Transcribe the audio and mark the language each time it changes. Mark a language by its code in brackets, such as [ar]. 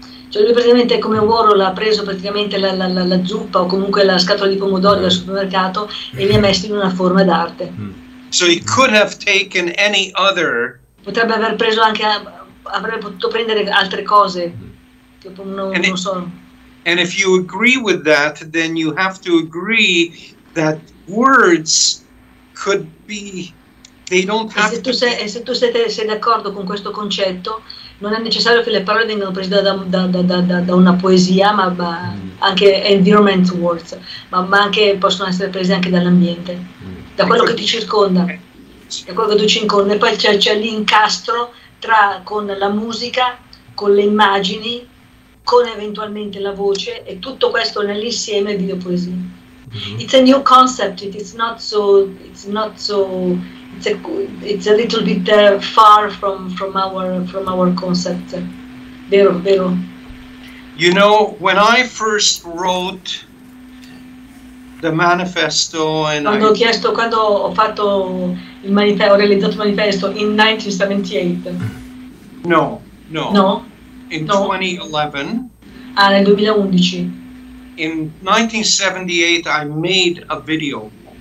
[it] Cioè lui praticamente è come Warhol, ha preso praticamente la zuppa o comunque la scatola di pomodori dal supermercato e li ha messi in una forma d'arte. [en] So he could have taken any other. [it] Potrebbe aver preso anche, avrebbe potuto prendere altre cose, tipo non so. [en] And if you agree with that, then you have to agree that words could be. They don't have [it] e se tu sei, [en] to. [it] E se tu sei d'accordo con questo concetto. Non è necessario che le parole vengano prese da una poesia, ma anche [en] environment words, [it] ma anche possono essere prese anche dall'ambiente, da quello che ti circonda, da quello che tu circonda. E poi c'è l'incastro con la musica, con le immagini, con eventualmente la voce, e tutto questo nell'insieme videopoesia. Mm-hmm. [en] It's a new concept, it's not so... It's a little bit far from our concept. [it] Vero, vero. [en] You know, when I first wrote the manifesto and [it] quando ho fatto il manifesto, ho realizzato il manifesto in 1978. [en] No, no. No. In no. 2011. [it] Ah, nel 2011. [en] In 1978 I made a video.